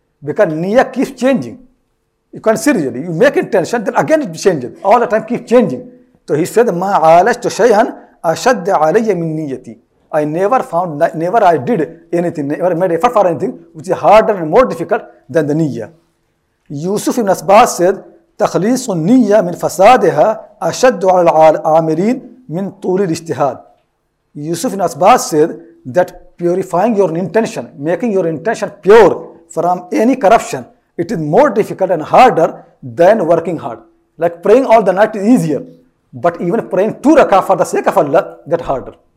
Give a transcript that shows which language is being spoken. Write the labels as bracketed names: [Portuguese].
[English] Because niyyah keeps changing. You can see really, you make intention, then again it changes. All the time keeps changing. So he said, [Arabic] مَا عَالَجْتُ شَيْهًا أَشَدَّ عَلَيَّ مِنْ نِيَّتِ. [English] I never found, never I did anything, never made effort for anything which is harder and more difficult than the niyyah. Yusuf ibn Asbas said, [Arabic] تخليص النية من فسادها أشد على العاملين من طول الاجتهاد. [English] Yusuf ibn Asbas said that purifying your intention, making your intention pure from any corruption, it is more difficult and harder than working hard. Like praying all the night is easier, but even praying two rakah for the sake of Allah get harder.